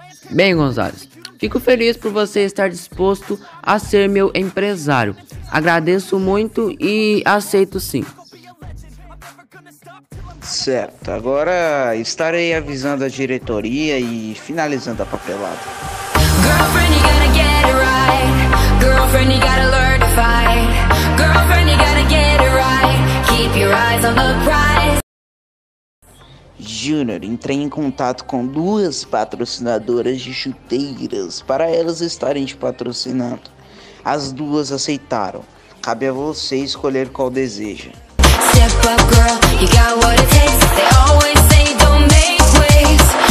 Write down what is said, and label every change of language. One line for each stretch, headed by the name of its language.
Portuguese: Bem, Gonzales, fico feliz por você estar disposto a ser meu empresário. Agradeço muito e aceito sim. Certo, agora estarei avisando a diretoria e finalizando a papelada.
English: Girlfriend, you gotta get it right. Girlfriend, you gotta learn to fight. Girlfriend, you gotta get it right. Keep your eyes on the prize.
Portuguese: Junior, entrei em contato com duas patrocinadoras de chuteiras para elas estarem te patrocinando. As duas aceitaram. Cabe a você escolher qual deseja.
English: Step up, girl, you got what it takes. They always say don't make waves.